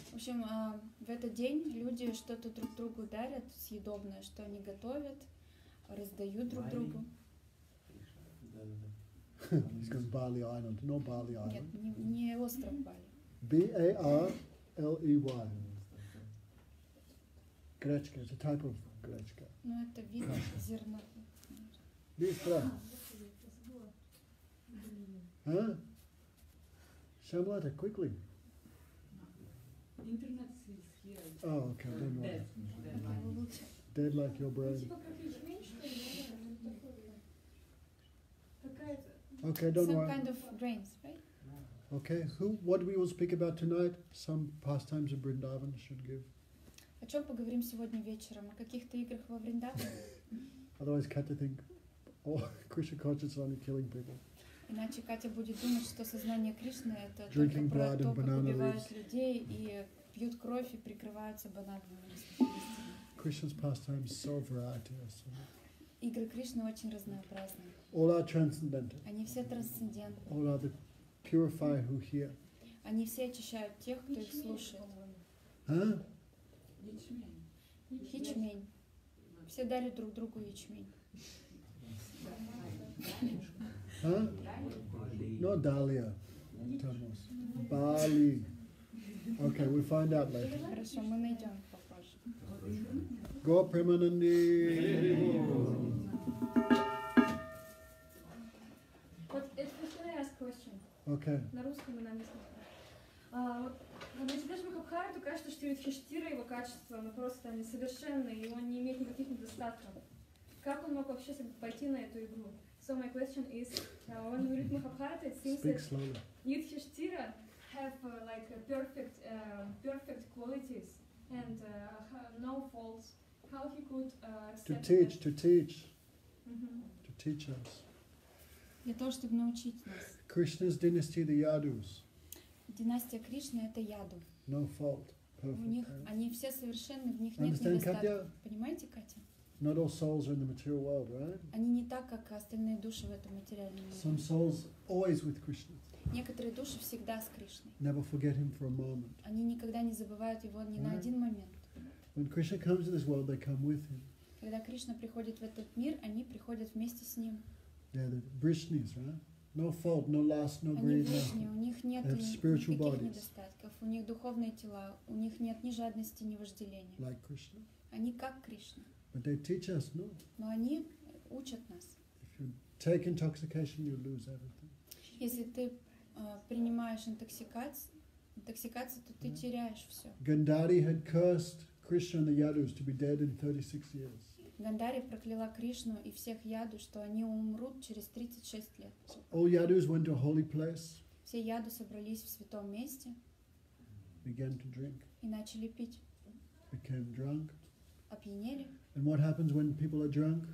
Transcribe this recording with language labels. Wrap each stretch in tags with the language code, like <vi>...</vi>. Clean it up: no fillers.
<ru>В общем, в этот день люди что-то друг другу дарят, съедобное, что они готовят, раздают друг другу.</ru> <en>He's going to Bali Island, not Bali Island.</en> <ru>Нет, не остров Бали.</ru> <en>B-A-R-L-E-Y. Гречка, it's a type of гречка.</en> <ru>Ну, это вид зерна. Быстро.</ru> <en>А? Шамлата, quickly. Internet is here. Oh, okay. Dead. Dead. Dead. Dead like your brain. Okay, don't some worry. Some kind of grains, right? Okay, what we will speak about tonight? Some pastimes in Vrindavan should give.</en> <ru>О чем поговорим сегодня вечером? О каких-то играх во Вриндаване?</ru> <en>Otherwise, Katya think, oh, Krishna consciousness only killing people.</en> <ru>Иначе Катя будет думать, что сознание Кришны это только про то, как убивают людей и пьют кровь и прикрываются банановыми листьями.</ru> <en>Krishna's pastimes so various.</en> <ru>Игры Кришны очень разнообразны.</ru> <en>All are transcendental.</en> <ru>Они все трансцендентны.</ru> <en>All are the purify who hear.</en> <ru>Они все очищают тех, кто их слушает. А? Ячмень. Ячмень. Все дарят друг другу ячмень.</ru> <en>Huh? No, Dahlia. Thomas. Bali. Okay, we'll find out later.</en> <ru>Хорошо, мы найдем попозже.</ru> <en>Go permanently.</en> <ru>Вот это</ru> <en>can I ask question? Okay.</en> <ru>На русском и на английском. Вот, даже Махабхара, то кажется, что Юдхиштира его качество, оно просто несовершенно, и он не имеет никаких недостатков. Как он мог вообще пойти на эту игру?</ru> <en>So my question is, when we read Mahabharata, it seems speak that Yudhishthira have like a perfect, perfect qualities and no faults. How he could accept to teach, to teach us.</en> <ru>Для того, чтобы научить нас.</ru> <en>Krishna's dynasty, the Yadus.</en> <ru>Династия Кришны это Яду.</ru> <en>No fault, perfect.</en> <ru>У них они все совершенны, в них нет недостатков. Понимаете, Катя?</ru> <en>Not all souls are in the material world, right?</en> <ru>Они не так, как остальные души в этом материальном мире.</ru> <en>Some souls always with Krishna.</en> <ru>Некоторые души всегда с Кришной.</ru> <en>Never forget him for a moment.</en> <ru>Они никогда не забывают его ни на один момент.</ru> <en>When Krishna comes to this world, they come with him.</en> <ru>Когда Кришна приходит в этот мир, они приходят вместе с ним.</ru> <en>They're the Vrishnis, right? No fault, no lust, no greed.</en> <ru>Они Vrishni, у них нет никаких недостатков. У них духовные тела, у них нет ни жадности, ни вожделения.</ru> <en>Like Krishna.</en> <ru>Они как Кришна.</ru> <en>But they teach us, no?</en> <ru>Но они учат нас.</ru> <en>If you take intoxication, you lose everything.</en> <ru>Если ты принимаешь интоксикацию, то ты теряешь все.</ru> <en>Gandhari had cursed Krishna and the Yadus to be dead in 36 years.</en> <ru>Гандхари прокляла Кришну и всех Яду, что они умрут через 36 лет.</ru> <en>So all Yadus went to a holy place.</en> <ru>Все Яду собрались в святом месте.</ru> <en>Began to drink.</en> <ru>И начали пить.</ru> <en>Became drunk.</en> <ru>Опьянели.</ru> <en>And what happens when people are drunk?</en>